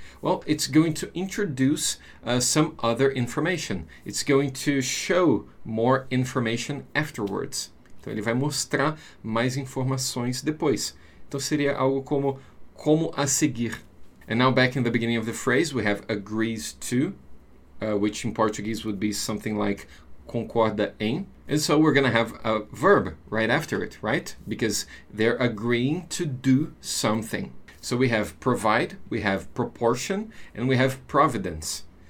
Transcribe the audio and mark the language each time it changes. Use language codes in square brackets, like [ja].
[en] Well, it's going to introduce some other information. It's going to show more information afterwards. [pt] Então, ele vai mostrar mais informações depois. Então, seria algo como a seguir. [en] And now, back in the beginning of the phrase, we have agrees to, which in Portuguese would be something like [pt] concorda em. [en] And so, we're going to have a verb right after it, right? Because they're agreeing to do something. So we have provide, we have proportion, and we have providence.